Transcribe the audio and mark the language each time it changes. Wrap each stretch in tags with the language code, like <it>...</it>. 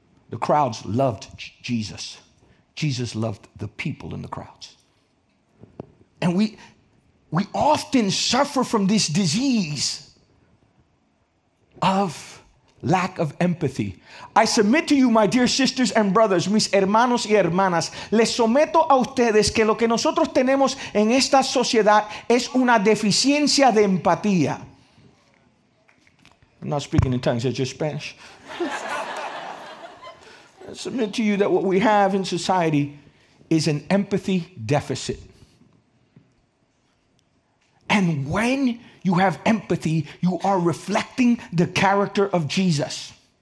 <en>The crowds loved Jesus. Jesus loved the people in the crowds. And we often suffer from this disease of lack of empathy. I submit to you, my dear sisters and brothers,</en> <es>mis hermanos y hermanas, les someto a ustedes que lo que nosotros tenemos en esta sociedad es una deficiencia de empatía.</es> <en>I'm not speaking in tongues, it's just Spanish. I submit to you that what we have in society is an empathy deficit. And when you have empathy, you are reflecting the character of Jesus.</en>